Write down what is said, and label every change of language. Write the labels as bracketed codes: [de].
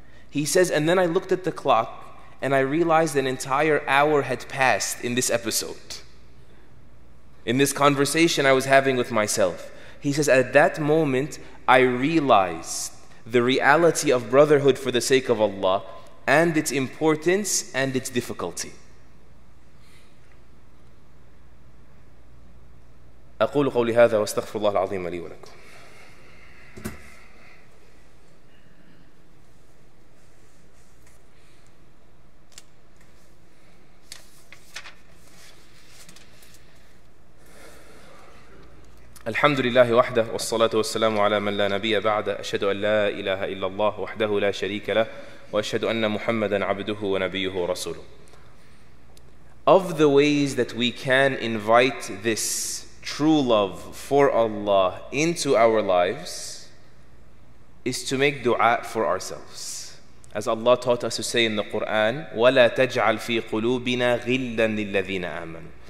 [en] He says, and then I looked at the clock and I realized an entire hour had passed in this episode. In this conversation I was having with myself. He says, at that moment I realized the reality of brotherhood for the sake of Allah and its importance and its difficulty. [ar] أقول قولي هذا واستغفر الله العظيم لي ولكم. الحمد لله وحده والصلاة والسلام على من لا نبي بعده أشهد أن لا إله إلا الله وحده لا شريك له وأشهد أن محمدا عبده ونبيه ورسوله. [en] Of the ways that we can invite this true love for Allah into our lives is to make dua for ourselves. As Allah taught us to say in the Quran, [ar] وَلَا تَجْعَلْ فِي قُلُوبِنَا غِلًّا لِلَّذِينَ آمَنُوا.